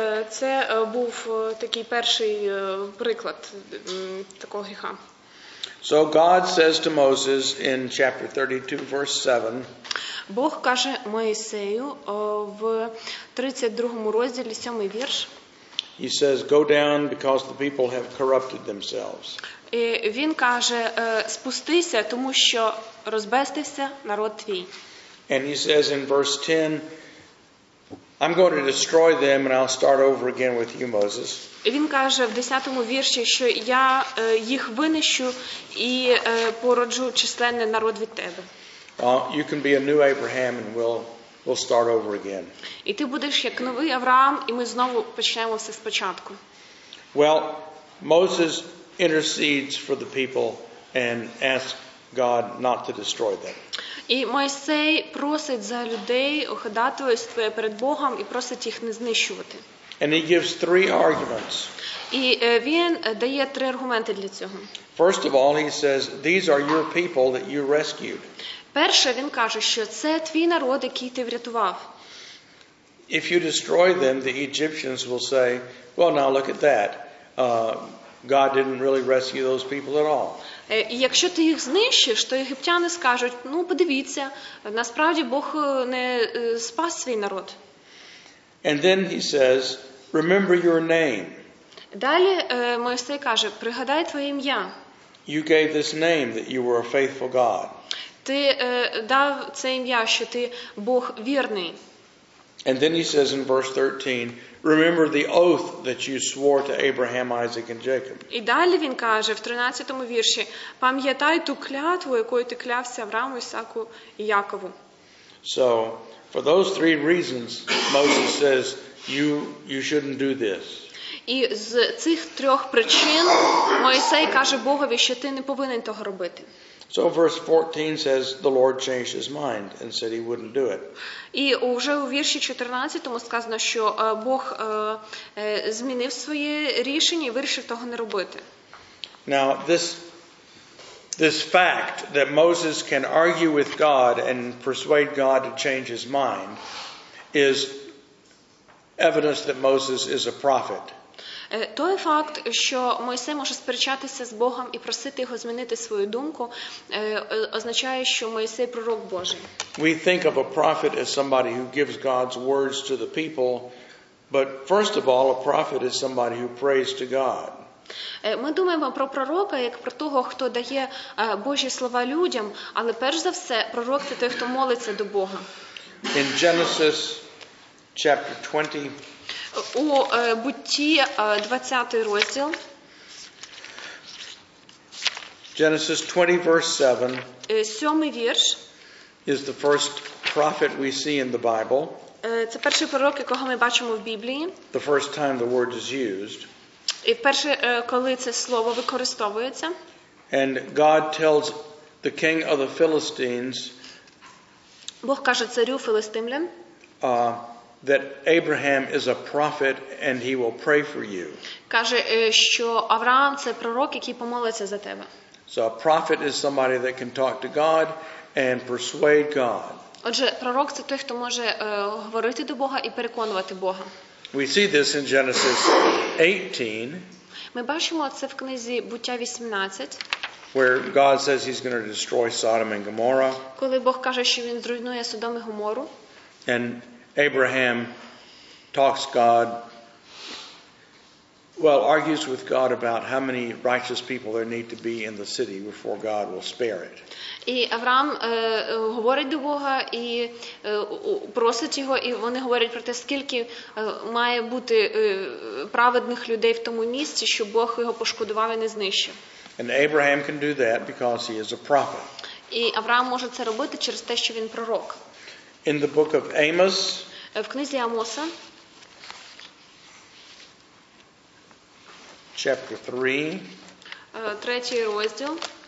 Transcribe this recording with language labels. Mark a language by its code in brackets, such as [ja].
[uk] Це був такий перший приклад такого гріха. [en] So God says to Moses in chapter 32, verse 7. [uk] Бог каже Моїсею в 32-му розділі, 7-й вірш. [en] He says, "Go down because the people have corrupted themselves." [uk] І він каже, спустися, тому що розбестився народ твій. [en] And he says in verse 10, I'm going to destroy them and I'll start over again with you, Moses. [uk] Він каже в 10-му вірші, що я їх винищу і породжу численний народ від тебе. [en] You can be a new Abraham and we'll start over again. [uk] І ти будеш як новий Авраам, і ми знову почнемо все спочатку. [en] Well, Moses intercedes for the people and asks God not to destroy them. [uk] І Мойсей просить за людей, ходатайствує перед Богом і просить їх не знищувати. [en] And he gives three arguments. [uk] І він дає три аргументи для цього. [en] First of all, he says, these are your people that you rescued. [uk] Перше, він каже, що це твій народ, який ти врятував. [en] If you destroy them, the Egyptians will say, well, now look at that. God didn't really rescue those people at all. [uk] Якщо ти їх знищиш, то єгиптяни скажуть, ну подивіться, насправді Бог не спас свій народ. [en] And then he says, remember your name. [uk] Далі Мойсей каже, пригадай твоє ім'я. [en] You gave this name that you were a faithful God. [uk] Ти дав це ім'я, що ти Бог вірний. [en] And then he says in verse 13, remember the oath that you swore to Abraham, Isaac, and Jacob. [uk] І далі він каже в 13-му вірші, пам'ятай ту клятву, якою ти клявся Аврааму, Ісаку і Якову. [en] So, for those three reasons, Moses says, you shouldn't do this. [uk] І з цих трьох причин Мойсей каже Богові, що ти не повинен того робити. [en] So verse 14 says the Lord changed his mind and said he wouldn't do it. [uk] І уже у вірші 14-му сказано, що Бог змінив своє рішення і вирішив того не робити. [en] Now this fact that Moses can argue with God and persuade God to change his mind is evidence that Moses is a prophet. [uk] Той факт, що Мойсей може сперечатися з Богом і просити його змінити свою думку, означає, що Мойсей пророк Божий. [en] We think of a prophet as somebody who gives God's words to the people, but first of all, a prophet is somebody who prays to God. [uk] Ми думаємо про пророка як про того, хто дає Божі слова людям, але перш за все, пророк це той, хто молиться до Бога. [en] In Genesis chapter 20, [uk] у Бутті 20 розділ. [en] Genesis 20 verse 7. [uk] Сьомий вірш. [en] Is the first prophet we see in the Bible. [uk] Це перший пророк, якого ми бачимо в Біблії. [en] The first time the word is used. [uk] І перше, коли це слово використовується. [en] And God tells the king of the Philistines. [uk] Бог каже царю філістимлян. [en] That Abraham is a prophet and he will pray for you. [uk] Каже, що Авраам це пророк, який помолиться за тебе. [en] So a prophet is somebody that can talk to God and persuade God. [uk] Отже, пророк це той, хто може говорити до Бога і переконувати Бога. [en] We see this in Genesis 18. [uk] Ми бачимо це в книзі Буття 18. [en] Where God says he's going to destroy Sodom and Gomorrah. [uk] Коли Бог каже, що він зруйнує Содом і Гоморру. [en] And Abraham talks God, well, argues with God about how many righteous people there need to be in the city before God will spare it. [uk] І Авраам говорить до Бога і просить його, і вони говорять про те, скільки має бути праведних людей в тому місці, щоб Бог його пошкодував і не знищив. [en] And Abraham can do that because he is a prophet. [uk] І Авраам може це робити через те, що він пророк. [en] In the book of Amos, [uk] в книзі Амоса, [en] chapter 3, [uk] третій розділ,